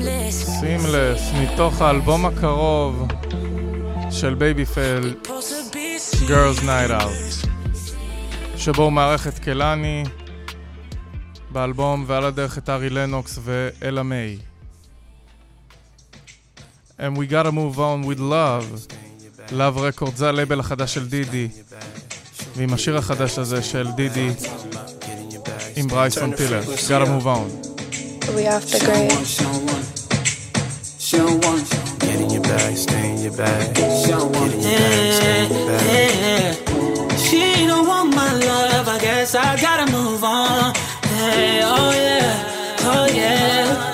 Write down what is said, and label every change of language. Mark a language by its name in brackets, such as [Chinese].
[Hebrew] סימלס, מתוך האלבום הקרוב של בייבי פייל, Girls Night Out, שבו הוא מערך את קלני באלבום, ועל הדרך את ארי לנוקס ואלה מיי. [English] And we gotta move on with love. [Hebrew] Love Records, זה הלייבל החדש של דידי, ועם השיר החדש הזה של דידי עם ברייסון טילר, gotta move on. [English] We off the grid. Show one, show one. Get in your bag, stay in your bag. Show one, get in your bag, stay in your bag. She don't want my love, I guess I gotta move on. Hey, oh yeah, oh yeah.